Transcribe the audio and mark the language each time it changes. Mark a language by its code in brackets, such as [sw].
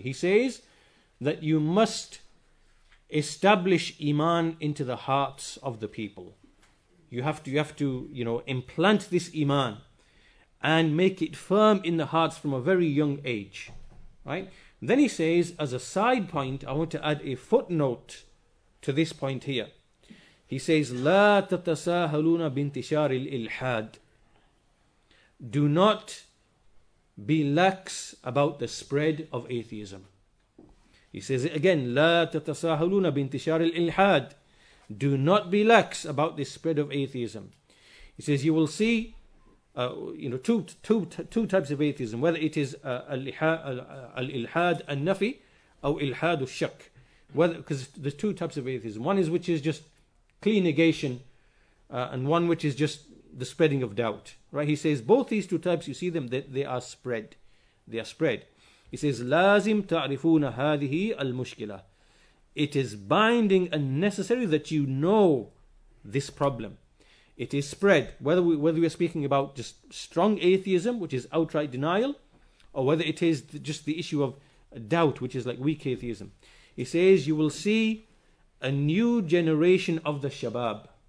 [en] He says that you must establish iman into the hearts of the people. You have to, you know, implant this iman and make it firm in the hearts from a very young age, right? Then he says, as a side point, I want to add a footnote to this point here. He says, [ar] لا تتساهلون بانتشار الإلحاد. [en] Do not be lax about the spread of atheism. He says it again, [ar] لا تتساهلون بانتشار الإلحاد. [en] Do not be lax about the spread of atheism. He says you will see two types of atheism, whether it is al-ilhad al-nafi or ilhad al-shak. Because there's two types of atheism. One is which is just clear negation, and one which is just the spreading of doubt. Right? He says both these two types, you see them, they are spread. They are spread. He says, [ar] لازم تعرفون هذه المشكلة. [en] It is binding and necessary that you know this problem. It is spread. Whether we are speaking about just strong atheism, which is outright denial, or whether it is just the issue of doubt, which is like weak atheism. He says, you will see a new generation of the Shabab.